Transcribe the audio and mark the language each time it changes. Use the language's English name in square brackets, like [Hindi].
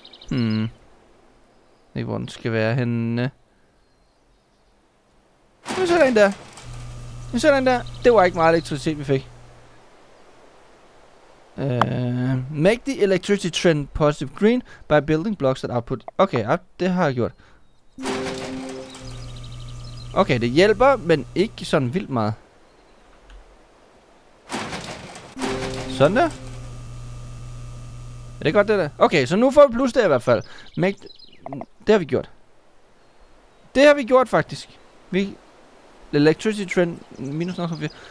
[Danish] Jeg ved ikke, hvor den skal være henne. Nu sætter den der. Nu sætter den der. Det var ikke meget elektricitet, vi fik. [English] Make the electricity trend positive green by building blocks that output. [Danish] Okay, det har jeg gjort. Okay, det hjælper, men ikke sådan vildt meget. Sådan der. Er det godt, det der? Okay, så nu får vi plus der i hvert fald. Men det har vi gjort. Det har vi gjort, faktisk. Vi... Electricity trend... Minus 0,4.